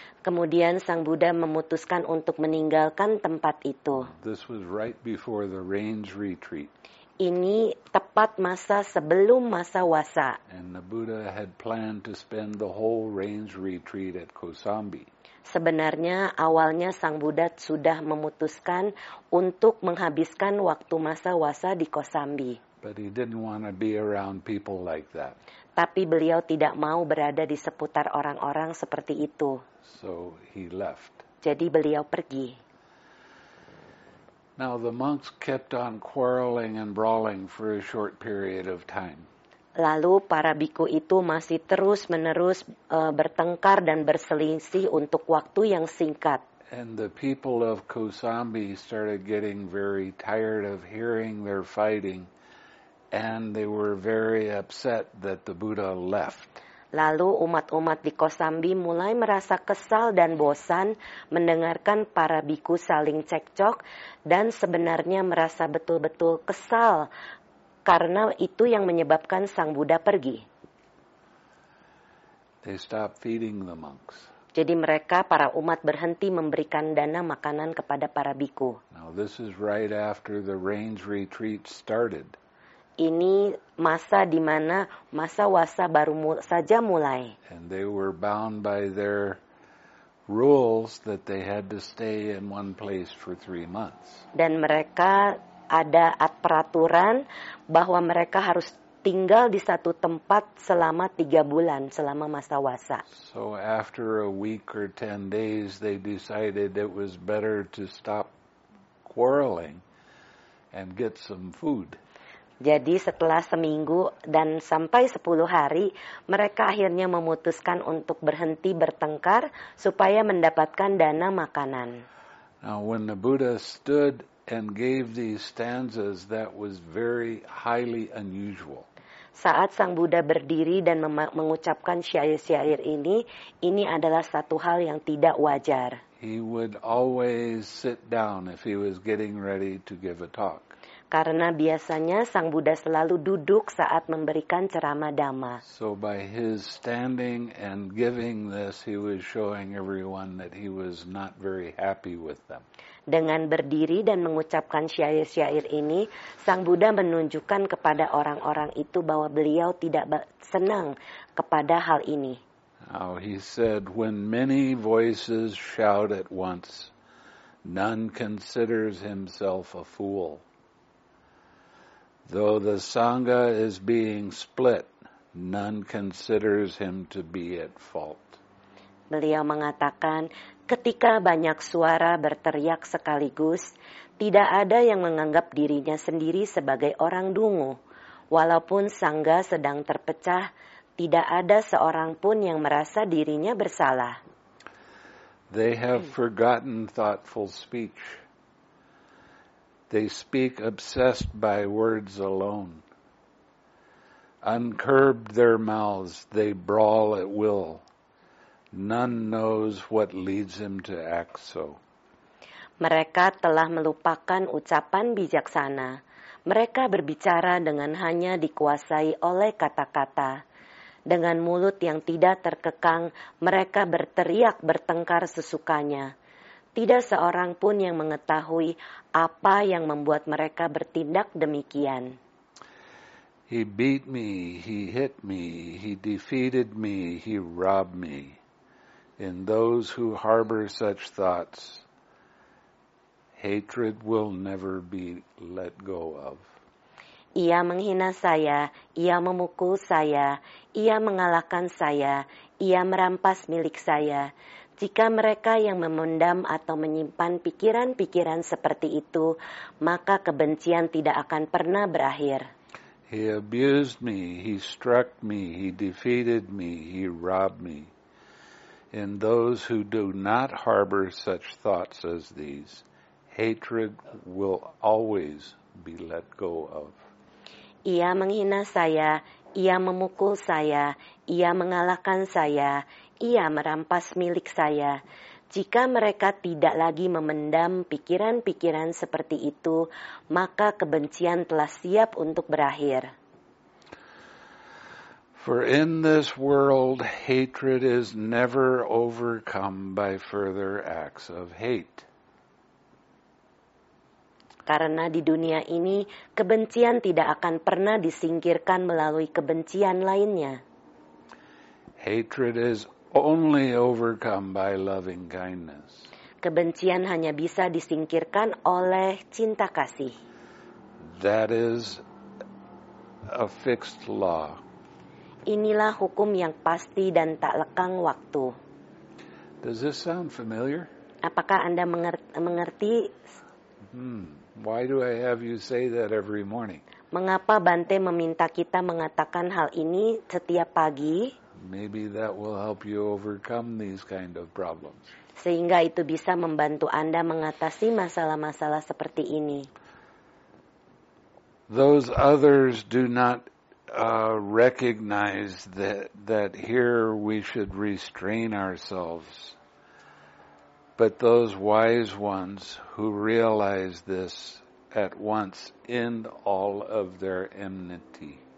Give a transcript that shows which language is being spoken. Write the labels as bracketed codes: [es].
[id] Kemudian Sang Buddha memutuskan untuk meninggalkan tempat itu. [en] This was right before the range retreat. [id] Ini tepat masa sebelum masa wasa. [en] And the Buddha had planned to spend the whole range retreat at Kosambi. [id] Sebenarnya awalnya Sang Buddha sudah memutuskan untuk menghabiskan waktu masa wasa di Kosambi. [en] But he didn't want to be around people like that. [id] Tapi beliau tidak mau berada di seputar orang-orang seperti itu. [en] So he left. [id] Jadi beliau pergi. [en] Now the monks kept on quarreling and brawling for a short period of time. [id] Lalu para biku itu masih terus-menerus bertengkar dan berselisih untuk waktu yang singkat. [en] And the people of Kosambi started getting very tired of hearing their fighting, and they were very upset that the Buddha left. [id] Lalu umat-umat di Kosambi mulai merasa kesal dan bosan mendengarkan para biku saling cekcok dan sebenarnya merasa betul-betul kesal karena itu yang menyebabkan Sang Buddha pergi. [en] They stopped feeding the monks. [id] Jadi mereka, para umat, berhenti memberikan dana makanan kepada para biku. [en] Now this is right after the range retreat started. [id] Ini masa di mana masa wasa baru saja mulai. [en] And they were bound by their rules that they had to stay in one place for 3 months. [id] Dan mereka ada peraturan bahwa mereka harus tinggal di satu tempat selama 3 bulan, selama masa wasa. [en] So after a week or 10 days, they decided it was better to stop quarreling and get some food. [id] Jadi setelah seminggu dan sampai 10 hari, mereka akhirnya memutuskan untuk berhenti bertengkar supaya mendapatkan dana makanan. [en] Now when the Buddha stood and gave these stanzas, that was very highly unusual. [id] Saat Sang Buddha berdiri dan mengucapkan syair-syair ini adalah satu hal yang tidak wajar. [en] He would always sit down if he was getting ready to give a talk. [id] Karena biasanya Sang Buddha selalu duduk saat memberikan ceramah dhamma. [en] So by his standing and giving this, he was showing everyone that he was not very happy with them. [id] Dengan berdiri dan mengucapkan syair-syair ini, Sang Buddha menunjukkan kepada orang-orang itu bahwa beliau tidak senang kepada hal ini. [en] Now he said, "When many voices shout at once, none considers himself a fool. Though the Sangha is being split, none considers him to be at fault." [id] Beliau mengatakan, ketika banyak suara berteriak sekaligus, tidak ada yang menganggap dirinya sendiri sebagai orang dungu. Walaupun Sangha sedang terpecah, tidak ada seorang pun yang merasa dirinya bersalah. [en] They have forgotten thoughtful speech. They speak obsessed by words alone. Uncurbed their mouths, they brawl at will. None knows what leads him to act so. [id] Mereka telah melupakan ucapan bijaksana. Mereka berbicara dengan hanya dikuasai oleh kata-kata. Dengan mulut yang tidak terkekang, mereka berteriak bertengkar sesukanya. Tidak seorang pun yang mengetahui apa yang membuat mereka bertindak demikian. [en] He beat me, he hit me, he defeated me, he robbed me. In those who harbor such thoughts, hatred will never be let go of. [id] Ia menghina saya, ia memukul saya, ia mengalahkan saya, ia merampas milik saya. Jika mereka yang memendam atau menyimpan pikiran-pikiran seperti itu, maka kebencian tidak akan pernah berakhir. [en] He abused me, he struck me, he defeated me, he robbed me. In those who do not harbor such thoughts as these, hatred will always be let go of. [id] Ia menghina saya, ia memukul saya, ia mengalahkan saya, ia merampas milik saya. Jika mereka tidak lagi memendam pikiran-pikiran seperti itu, maka kebencian telah siap untuk berakhir. [en] For in this world, hatred is never overcome by further acts of hate. [id] Karena di dunia ini, kebencian tidak akan pernah disingkirkan melalui kebencian lainnya. [en] Hatred is only overcome by loving kindness. [id] Kebencian hanya bisa disingkirkan oleh cinta kasih. [en] That is a fixed law. [id] Inilah hukum yang pasti dan tak lekang waktu. [en] Does this sound familiar? [id] Apakah Anda mengerti? [en] Why do I have you say that every morning? [id] Mengapa Bante meminta kita mengatakan hal ini setiap pagi? [en] Maybe that will help you overcome these kind of problems. [id] Sehingga itu bisa membantu Anda mengatasi masalah-masalah seperti ini. [en] Those others do not recognize that here we should restrain ourselves. But those wise ones who realize this at once end all of their enmity.